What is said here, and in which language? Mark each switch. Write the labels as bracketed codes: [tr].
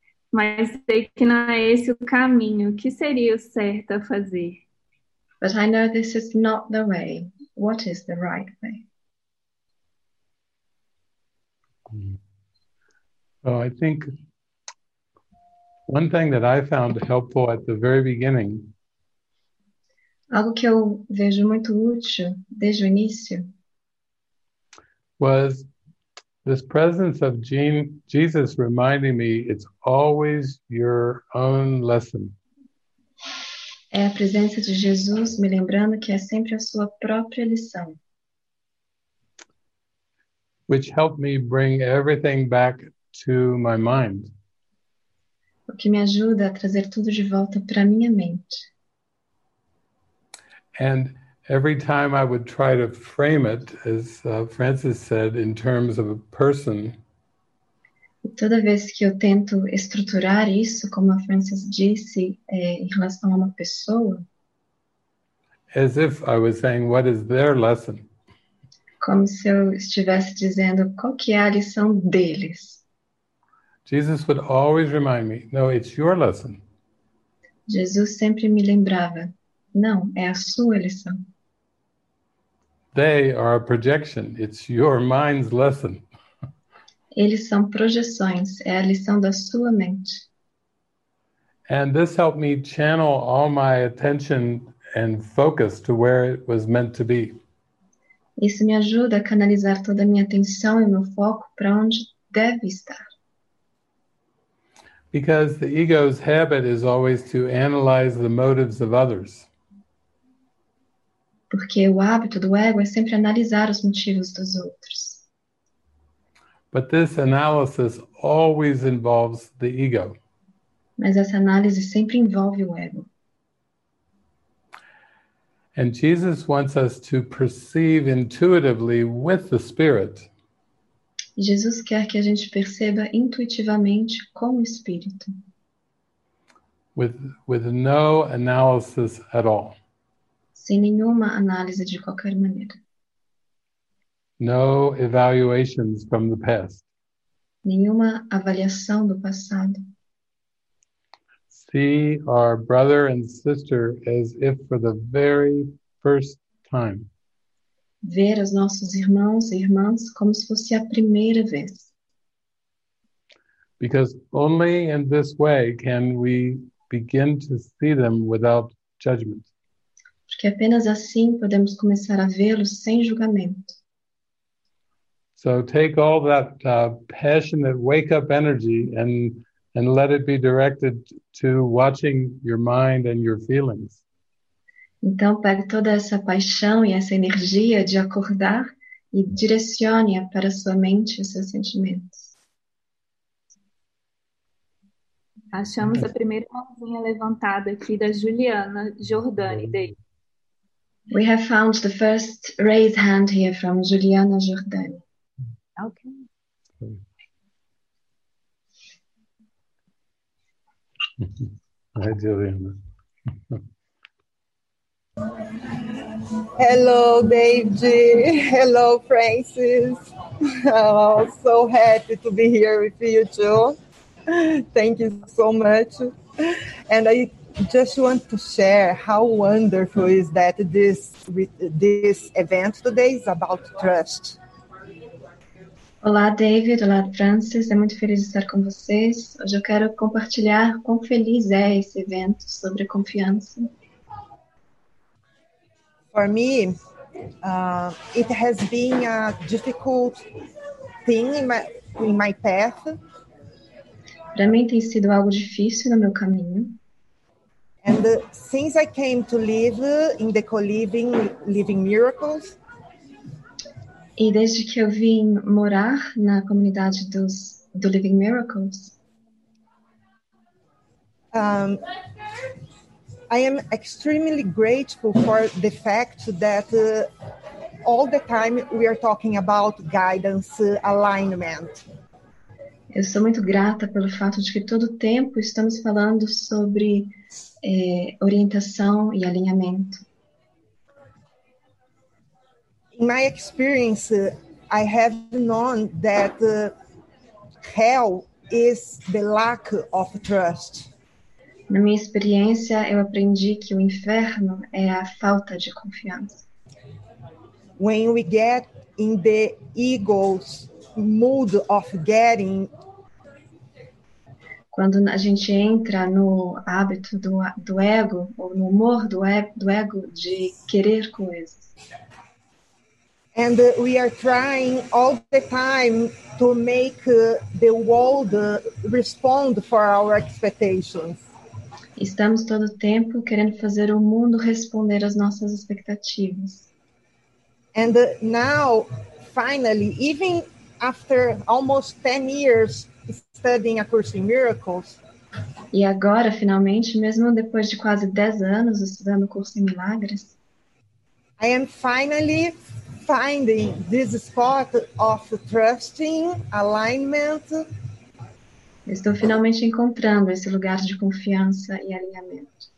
[pt] Mas sei que não é esse o caminho. O que seria o certo a fazer? [en] But I know this is not the way. What is the right way? Well, I think one thing that I found helpful at the very beginning. [pt] Algo que eu vejo muito útil desde o início. [en] Was this presence of Jesus reminding me it's always your own lesson. [pt] É a presença de Jesus me lembrando que é sempre a sua própria lição. [en] Which helped me bring everything back to my mind. [pt] O que me ajuda a trazer tudo de volta para minha mente. [en] And every time I would try to frame it, as Francis said, in terms of a person. [pt] E toda vez que eu tento estruturar isso, como a Francis disse, em relação a uma pessoa. [en] As if I was saying, what is their lesson? [pt] Como se eu estivesse dizendo, qual que é a lição deles? [en] Jesus would always remind me, no, it's your lesson. [pt] Jesus sempre me lembrava, não, é a sua lição. [en] They are a projection, it's your mind's lesson. [pt] Eles são projeções, é a lição da sua mente. [en] And this helped me channel all my attention and focus to where it was meant to be. [pt] Isso me ajuda a canalizar toda a minha atenção e meu foco para onde deve estar. [en] Because the ego's habit is always to analyze the motives of others. [pt] Porque o hábito do ego é sempre analisar os motivos dos outros. [en] But this analysis always involves the ego. [pt] Mas essa análise sempre envolve o ego. [en] And Jesus wants us to perceive intuitively with the spirit. [pt] Jesus quer que a gente perceba intuitivamente com o Espírito. [en] With no analysis at all. [pt] Sem nenhuma análise de qualquer maneira. [en] No evaluations from the past. [pt] Nenhuma avaliação do passado. [en] See our brother and sister as if for the very first time. [pt] Ver os nossos irmãos e irmãs como se fosse a primeira vez. [en] Because only in this way can we begin to see them without judgment. [pt] Porque apenas assim podemos começar a vê-lo sem julgamento. [en] So take all that passionate wake-up energy and let it be directed to watching your mind and your feelings. [pt] Então pegue toda essa paixão e essa energia de acordar e direcione-a para sua mente e seus sentimentos. Achamos a primeira mãozinha levantada aqui da Juliana Jordani. [en] We have found the first raised hand here from Juliana Jordani. Okay. Hi, Juliana. Hello, David. Hello, Francis. Oh, so happy to be here with you too. Thank you so much. And I just want to share how wonderful is that this event today is about trust. [pt] Olá, David. Olá, Francis. É muito feliz estar com vocês. Hoje eu quero compartilhar quão feliz é esse evento sobre confiança. [en] For me, it has been a difficult thing in my path. [pt] Para mim tem sido algo difícil no meu caminho. [en] And since I came to live in the co-living, living miracles. [pt] E desde que eu vim morar na comunidade do Living Miracles. [en] I am extremely grateful for the fact that all the time we are talking about guidance, alignment. [pt] Eu sou muito grata pelo fato de que todo tempo estamos falando sobre orientação e alinhamento. [en] In my experience, I have known that hell is the lack of trust. [pt] Na minha experiência, eu aprendi que o inferno é a falta de confiança. [en] When we get in the ego's mood of getting, [pt] quando a gente entra no hábito do ego, ou no humor do ego de querer coisas. [en] And we are trying all the time to make the world respond for our expectations. [pt] Estamos todo tempo querendo fazer o mundo responder às nossas expectativas. [en] And now, finally, even after almost 10 years studying A Course in Miracles. [pt] E agora, finalmente, mesmo depois de quase 10 anos estudando o curso em milagres. [en] I am finally finding this spot of trusting, alignment. [pt] Estou finalmente encontrando esse lugar de confiança e alinhamento.